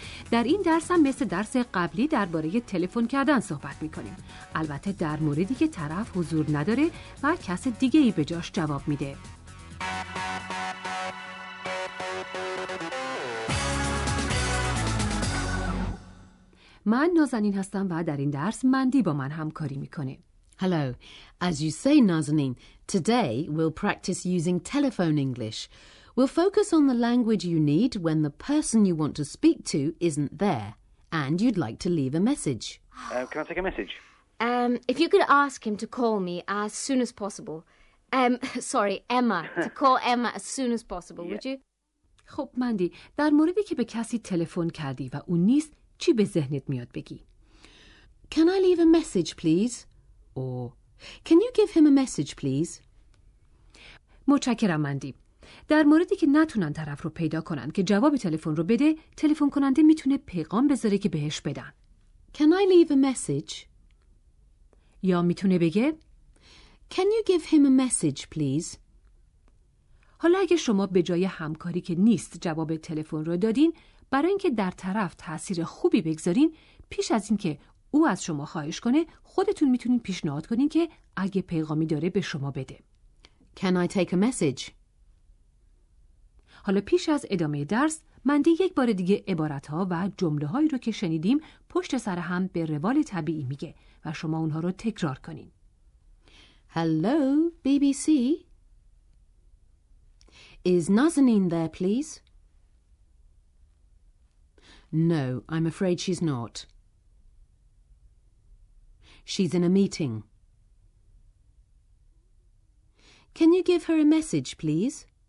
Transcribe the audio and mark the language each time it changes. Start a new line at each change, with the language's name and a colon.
Persian: در این درس هم مثل درس قبلی درباره تلفن کردن صحبت میکنیم، البته در موردی که طرف حضور نداره و کس دیگه ای به جاش جواب میده. من نازنین هستم و در این درس مندی با من همکاری میکنه.
English: Hello. As you say, Nazanin, today we'll practice using telephone English. We'll focus on the language you need when the person you want to speak to isn't there and you'd like to leave a message. Can I take a message? If you could ask him to call me as soon as possible. Emma. To call Emma as soon as possible, yeah. Would you?
Persian: خب مندی، در موردی که به کسی تلفن کردی و اون نیست، چی به ذهنت میاد بگی؟
English: Can I leave a message, please? Or Can you give him a message, please?
Persian: متشکرم مندی. در موردی که نتونن طرف رو پیدا کنن که جواب تلفن رو بده، تلفن کننده میتونه پیغام بذاره که بهش بدن.
English: Can I leave a message?
Persian: یا میتونه بگه
English: Can you give him a message, please?
Persian: حالا اگه شما به جای همکاری که نیست جواب تلفن رو دادین، برای اینکه در طرف تأثیر خوبی بگذارین، پیش از اینکه او از شما خواهش کنه، خودتون میتونین پیشنهاد کنین که اگه پیغامی داره به شما بده.
English: Can I take a message?
Persian: حالا پیش از ادامه درس، مندی یک بار دیگه عبارت‌ها و جمله‌هایی رو که شنیدیم پشت سر هم به روال طبیعی میگه و شما اونها رو تکرار کنین.
English: Hello, BBC? Is Nazanin there, please? No, I'm afraid she's not. She's in a meeting. Can you give her a message, please?